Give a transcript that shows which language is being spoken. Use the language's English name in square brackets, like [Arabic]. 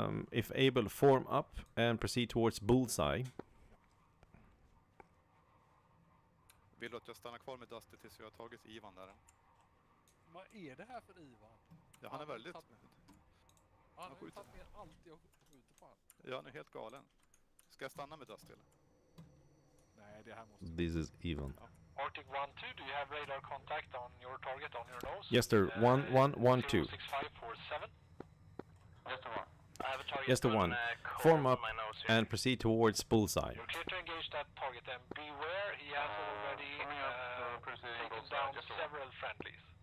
[English] If able, form up and proceed towards Bullseye. [Swedish] Vill du att jag stannar kvar med Dusty tills vi har tagit Ivan där? Vad är det här för Ivan? Ja, han är väldigt... Han har skjutit med allt jag skjuter på. Ja, han är helt galen. Ska jag stanna med Dusty eller? Nej, det här måste... [English] This is Ivan. Ja. Arctic 1-2, do you have radar contact on your target on your nose? Yes, sir. 1-1-1-2. 06547. Yes, sir. I have a target. Yes, sir. Form up and proceed towards Bullseye. You're clear to engage that target, and beware, he has already taken down several friendlies.